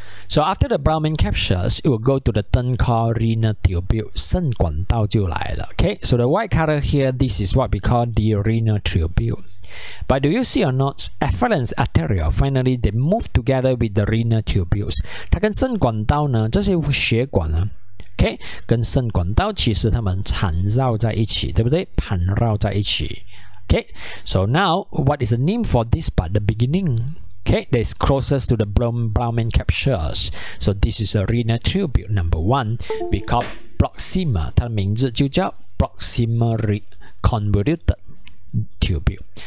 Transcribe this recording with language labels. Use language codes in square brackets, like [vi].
[en] So after the Brownian captures, it will go to the thin called renal tubule, [zh] 肾管道就来了 [en] Okay, so the white color here, this is what we call the renal tubule. But do you see or not, afferents arterial, finally they move together with the renal tubules. [zh] 它跟肾管道呢，这些血管呢 Okay, 跟肾管道其实它们缠绕在一起，对不对？盘绕在一起 [en] Okay, so now, what is the name for this part, the beginning? Okay, that is closest to the Brownian captures. So this is a renal tubule number one. We call proxima. [zh] 它的名字就叫 [en] proximal convoluted tubule.